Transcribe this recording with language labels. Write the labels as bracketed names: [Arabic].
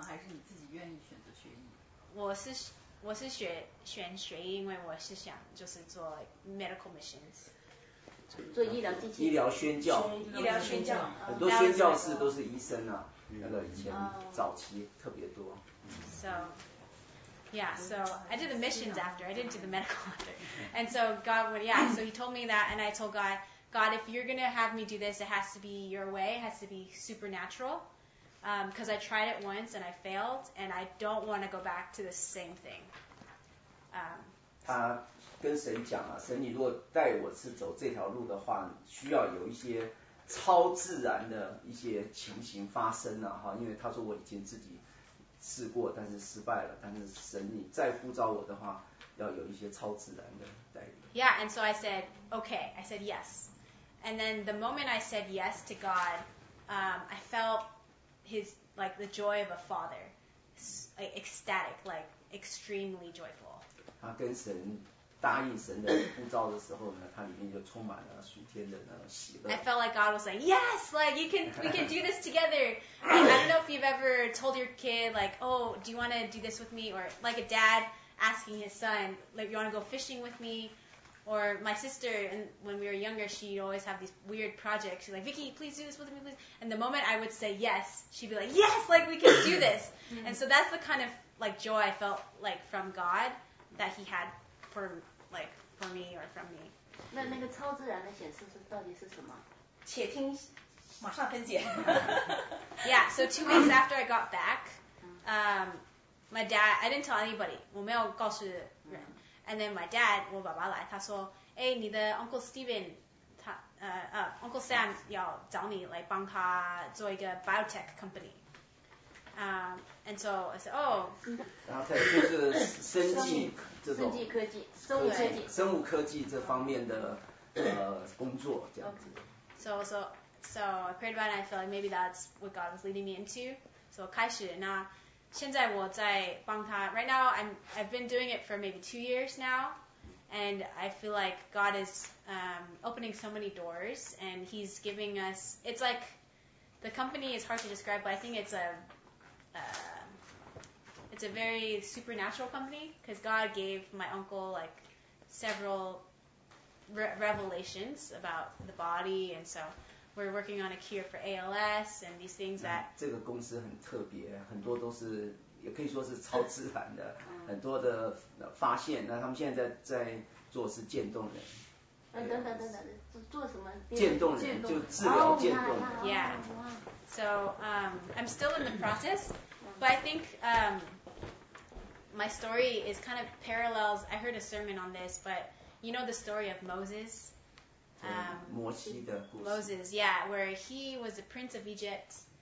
[Chinese] 还是你自己愿意选择学医？我是选学医，因为我是想就是做 [English] medical missions， [Chinese] 做医疗机器，医疗宣教，医疗宣教，很多宣教士都是医生啊，那个以前早期特别多。 [English] So yeah, so I did the missions after, I didn't do the medical after, and so God would, yeah, so He told me that, and I told God. God, if you're going to have me do this, it has to be your way. It has to be supernatural. Because I tried it once and I failed. And I don't want to go back to the same thing. [Chinese] 他跟神讲啊，神你如果带我是走这条路的话，需要有一些超自然的一些情形发生了哈。因为他说我已经自己试过，但是失败了。但是神你再呼召我的话，要有一些超自然的带领。 [English] Yeah, and so I said, okay. I said yes. And then the moment I said yes to God, I felt his, like, the joy of a father, like, ecstatic, like, extremely joyful. [Chinese] 他跟神答应神的呼召的时候呢，他里面就充满了属天的那种喜乐。 [English] I felt like God was like, yes, like, we can do this together. I don't know if you've ever told your kid, like, oh, do you want to do this with me? Or, like, a dad asking his son, like, you want to go fishing with me? Or my sister, and when we were younger, she'd always have these weird projects. She's like, Vicky, please do this with me, please. And the moment I would say yes, she'd be like, yes, like, we can do this. And so that's the kind of, like, joy I felt, like, from God that he had for, like, for me or from me. [Chinese] 那个超自然的显示是到底是什么？且听马上分解。 [English] Yeah, so 2 weeks after I got back, my dad, I didn't tell anybody. [Chinese] 我没有告诉人。 [English] And then my dad, [Chinese] 我爸爸来，他说，哎，你的 Uncle Steven, 他Uncle Sam 要找你来帮他做一个 biotech company. [English] And so I said, oh. [Chinese] 然后他就是生技这种。生技科技，生物科技。生物科技这方面的工作这样子。 [English] So I prayed about it, and I feel like maybe that's what God was leading me into. [Chinese] So 开始那。现在我在帮他 [English] right now I've been doing it for maybe 2 years now, and I feel like God is opening so many doors, and he's giving us, it's like, the company is hard to describe, but I think it's a very supernatural company, because God gave my uncle like several revelations about the body, and soWe're working on a cure for ALS and these things that. [Chinese] 这个公司很特别，很多都是也可以说是超自然的，很多的发现。那他们现在在做是渐冻人。等等，做什么？渐冻人就治疗渐冻。 [English] Yeah. So I'm still in the process, but I think my story is kind of parallels. I heard a sermon on this, but you know the story of Moses? Moses, yeah, where he was the prince of Egypt.